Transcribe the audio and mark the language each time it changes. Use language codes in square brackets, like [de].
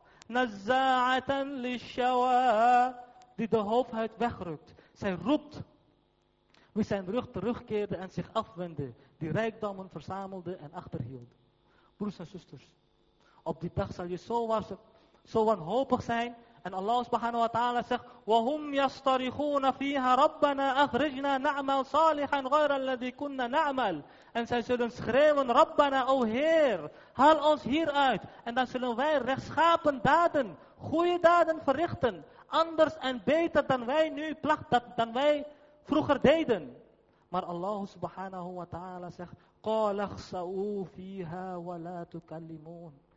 [ar] نَزَّاعَةً لِلشَّوَى. [nl] Die de hoofdhuid wegrukt. Zij roept. Wie zijn rug terugkeerde en zich afwendde. Die rijkdommen verzamelde en achterhield. Broers en zusters. Op die dag zal je zo wanhopig zijn. En Allah subhanahu wa ta'ala zegt: [ar] وَهُمْ يَسْتَرِخُونَ فِيهَا رَبَّنَا أَخْرِجْنَا نَعْمَلْ صَالِحًا غَيْرَ الَّذِي كُنَّا نَعْمَلْ. [nl] En zij zullen schreeuwen: [ar] رَبَّنَا [nl] O Heer, haal ons hieruit. En dan zullen wij rechtschapen daden, goede daden verrichten. Anders en beter dan wij nu dan wij vroeger deden. Maar Allah subhanahu wa ta'ala zegt: [ar] قَالَ اخْسَؤُوا فِيهَا وَلَا تُكَلِّمُونَ.